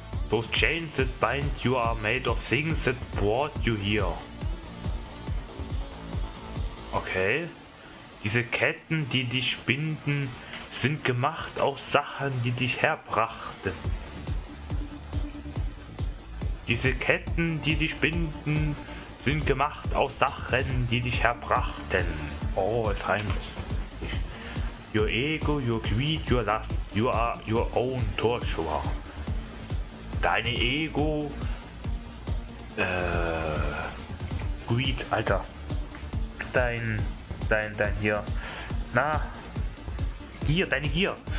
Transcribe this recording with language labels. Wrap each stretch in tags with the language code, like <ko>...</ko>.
<en>Those chains that bind you are made of things that brought you here. Okay.</en> <de>Diese Ketten, die dich binden, sind gemacht aus Sachen, die dich herbrachten. Diese Ketten, die dich binden, sind gemacht aus Sachen, die dich herbrachten. Oh, es reimt.</de> <en>Your ego, your greed, your lust, you are your own torture.</en> <de>Deine Ego, Greed, Alter. Dein hier. Na, Gier, deine Gier.</de>